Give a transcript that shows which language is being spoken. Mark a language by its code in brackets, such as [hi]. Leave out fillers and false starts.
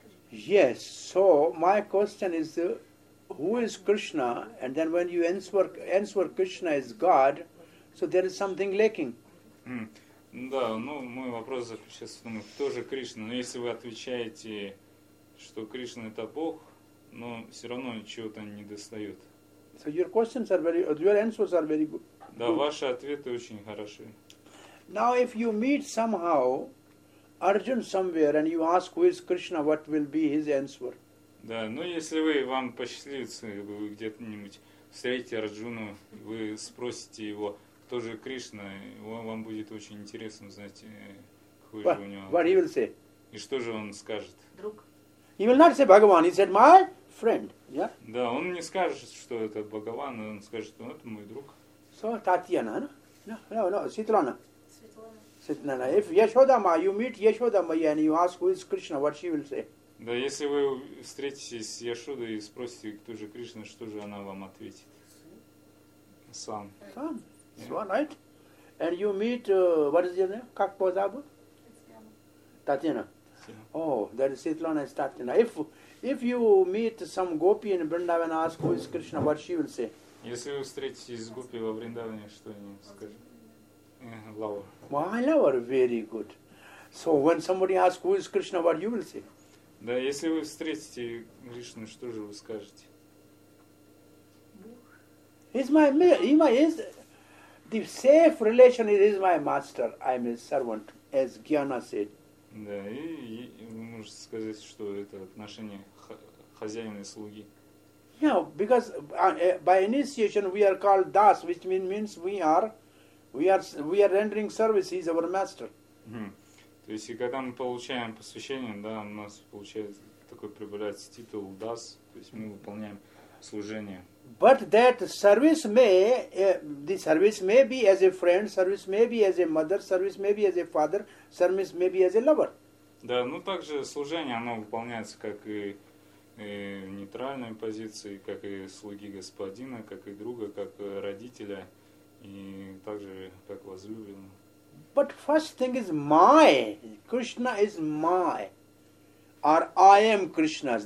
[en] Yes, so my question is, who is Krishna? And then when you answer Krishna is God, so there is something lacking. [ru] Да, ну мой вопрос заключается в том, кто же Кришна? Но если вы отвечаете, что Кришна это Бог, но все равно чего-то не достает. [en] So your questions are very, your answers are very good. [ru] Да, ваши ответы очень хороши. [en] Now, if you meet somehow Arjun somewhere and you ask who is Krishna, what will be his answer? [ru] Да, ну если вы вам посчастливится, вы где-нибудь встретите Арджуну, вы спросите его, кто же Кришна, вам будет очень интересно знать, какой [en] what, [ru] же у него. [en] What he will say? [ru] И что же он скажет? Друг. [en] He will not say Bhagavan, he said my friend. Yeah? [ru] Да, он не скажет, что это Бхагаван, он скажет, что это мой друг. [en] So, Татьяна, no? No, no, Светлана. [ru] Светлана. [en] If Yashoda Ma, you meet Yashoda Ma and you ask who is Krishna, what she will say? [ru] Да, если вы встретитесь с Яшодой и спросите, кто же Кришна, что же она вам ответит? Сван. [en] Сван, right? And you meet, what is your name? [ru] Как позабыл? [en] Татьяна. Oh, that is Светлана is Татьяна. If you meet some gopi in Vrindavan and ask who is Krishna, what she will say? [ru] Если вы встретитесь с гопи во Вриндаване, что они скажут? [en] Lover. My lover, very good. So when somebody asks who is Krishna, what you will say? [ru] Да, если вы встретите Кришну, что же вы скажете? [en] He's my, he my, he's the safe relation is my master, I'm his servant, as Gyana said. [ru] Да, и вы можете сказать, что это отношение хозяина и слуги. [en] Yeah, because by initiation we are called das, which means we are rendering service, he's our master. [ru] То есть, и когда мы получаем посвящение, да, у нас получается такой прибавляется титул дас, то есть мы выполняем служение. [en] But that service may, the service may be as a friend, service may be as a mother, service may be as a father, service may be as a lover. [ru] Да, ну также служение, оно выполняется как и в нейтральной позиции, как и слуги господина, как и друга, как родителя, и также как возлюбленного. [en] But first thing is my, Krishna is my, or I am Krishna's.